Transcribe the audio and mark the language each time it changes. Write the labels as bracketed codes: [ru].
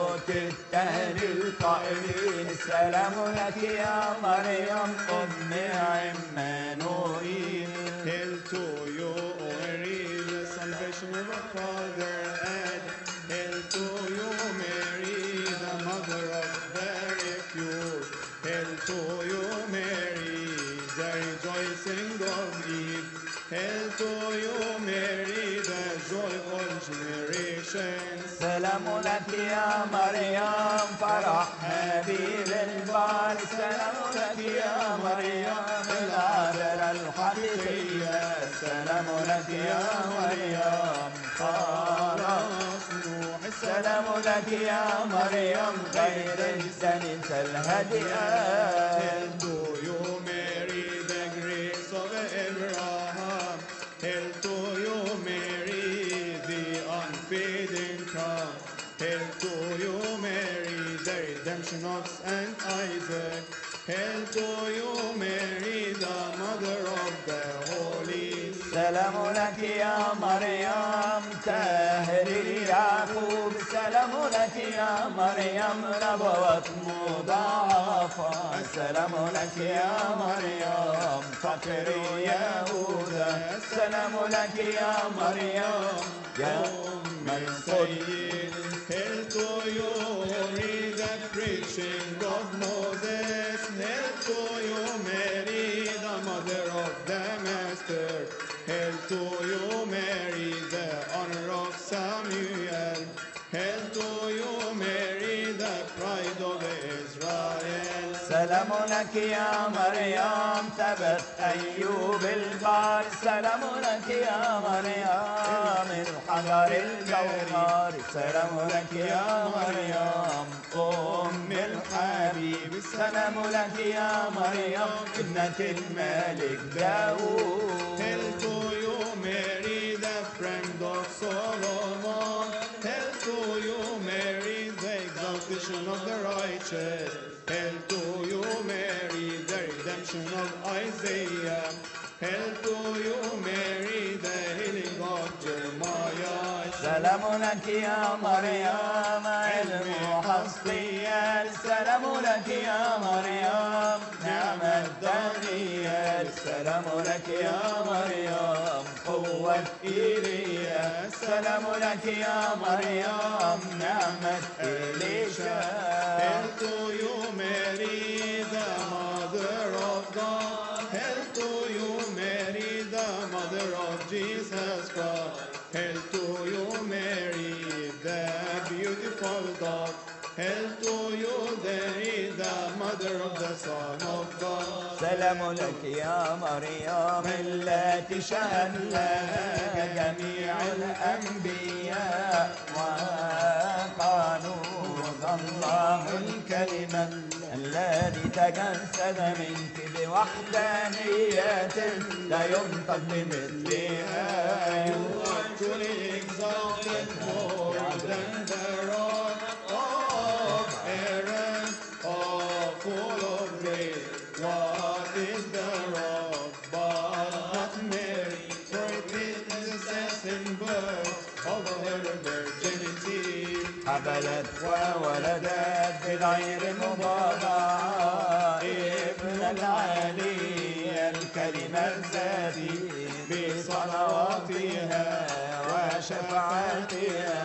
[ar] السلام لك يا مريم أم عمانوئيل. [en] Hail to you, Mary, the salvation of our father Ed. Hail to you, Mary, the mother of the refuge. Hail to you, Mary, the rejoicing of Eve. Hail to you, Mary, the joy of all generations. [ar] سلام لك يا مريم فرح هابيل البار. سلام لك يا مريم العذراء الحقيقية. سلام لك يا مريم خلاص نوح. سلام لك يا مريم غير السنس الهادئة. [en] Hail to you Mary the grace of Abraham. Hail to you Mary the unfading cross. Hail to you Mary the redemption of Saint Isaac. Hail to you Mary the mother of the holy. [ar] سلام لك يا مريم تاهل ياقوب. سلام لك يا مريم نبوة مضاعفة. سلام لك يا مريم فقر يهوذا. سلام لك يا مريم يا أم السيد. [en] Hail to you Mary the preaching of Moses. Hail to you Mary the mother of the master. Hail to you Mary the honor of Samuel. Hail to you Mary the pride of Israel. [ar] سلام لك يا مريم ثبت أيوب البار. سلام لك يا مريم الحجر الجوهر. سلام لك يا مريم أم الحبيب. سلام لك يا مريم ابنة الملك داود. [en] Hail to you Mary the friend of Solomon. Hail to you Mary the exaltation of the righteous. Hail to you Mary the redemption of Isaiah. Hail to you Mary the healing of Jeremiah. [ar] سلام لك يا مريم علم حصقيال. سلام لك يا مريم نعمة دانيال. سلام لك يا مريم قوة إيليا. سلام لك يا مريم نعمة إليشا. [en] Hail to you Mary the mother of God. Hail to you Mary the mother of Jesus Christ. Hail to you Mary the beautiful God. Hail to you Mary the mother of the Son of God. [ar] سلام لك يا مريم التي شهد لك جميع الأنبياء وقالوا الله الكلمة الذي تجسد منك بوحدانية لا ينطق بمثلها. [en] You are truly exalted more than the rod of Aaron, all full of grace. What is the rod but not Mary? For it is the second birth of her virginity. [ar] حبلت وولدت بغير مبالغة ابن العلي الكلمة الذاتي بصلواتها وشفاعتها.